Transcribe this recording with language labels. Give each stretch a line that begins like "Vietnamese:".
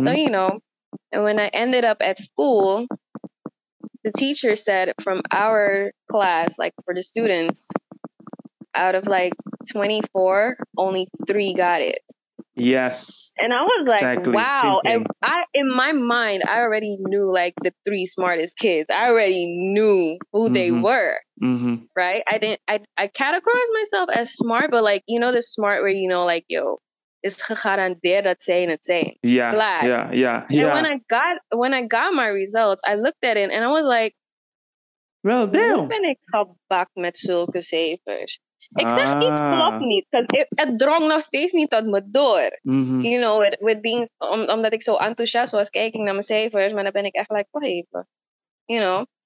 English: So, you know, and when I ended up at school, the teacher said from our class, like for the students, out of like 24, only 3 got it. Yes. And I was like, exactly. Wow. And I, in my mind, I already knew like the 3 smartest kids. I already knew who mm-hmm. they were. Mm-hmm. Right. I categorized myself as smart, but like, you know, the smart where, you know, like, yo,
Dutch: is gegarandeerd dat zij in het zijn.
English: Yeah,
Dutch: klaar.
English: Yeah, yeah, yeah. And when I got my results, I looked at it and I was like, well, damn.
Dutch: Hoe ben ik gebakt met zulke cijfers? Ik zeg iets klopt niet. Het drong nog steeds niet tot me door. Mm-hmm. You know, omdat ik zo enthousiast was kijken naar mijn cijfers, maar dan ben ik echt like, wacht even. You know.